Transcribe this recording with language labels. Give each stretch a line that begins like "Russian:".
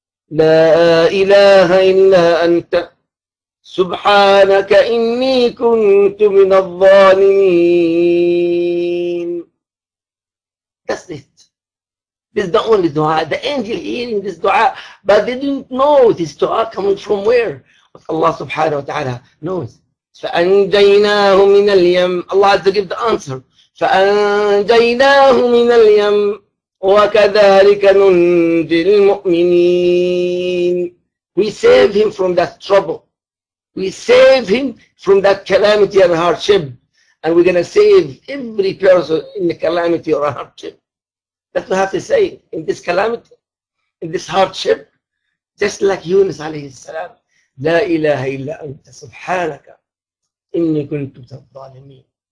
Arabic: لا إله إلا أنت سبحانك إني كنت من الظالمين.
English: That's it. This is the only dua. The angel hearing this dua, but they didn't know this dua coming from where. But Allah subhanahu wa ta'ala knows.
Arabic: فأنجيناه من اليم.
English: Allah has to give the answer.
Arabic: فأنجيناه من اليم وكذلك ننجي المؤمنين.
English: We save him from that trouble. We save him from that calamity and hardship. And we're going to save every person in the calamity or hardship. That's what I have to say. In this calamity, in this hardship, just like Yunus alayhi salam, La ilaha illa anta subhanaka inni kuntu tadh-dhalimin.